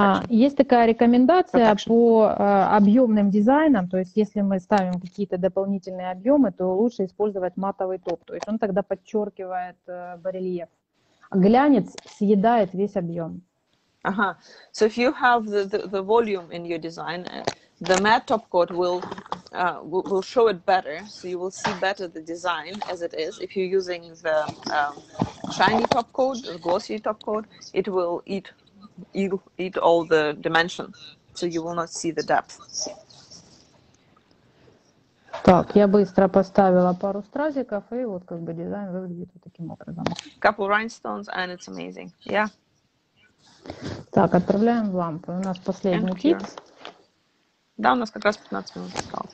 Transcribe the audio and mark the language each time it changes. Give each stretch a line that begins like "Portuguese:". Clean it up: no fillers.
Russian: Есть такая рекомендация по объемным дизайнам, то есть если мы ставим какие-то дополнительные объемы, то лучше использовать матовый топ, то есть он тогда подчеркивает барельеф. Глянец съедает весь объем. Ага.
English: So if you have the volume in your design, the matte top coat will show it better, so you will see better the design as it is. If you're using the shiny top coat, the glossy top coat, it will eat. You eat all the dimensions, so you will not see the depth.
Russian: Так, я быстро поставила пару стразиков, и вот как бы дизайн выглядит вот таким образом.
English: Couple rhinestones, and it's amazing. Yeah.
Russian: Так, отправляем в лампу. У нас последний тип. Да, у нас как раз 15 минут осталось.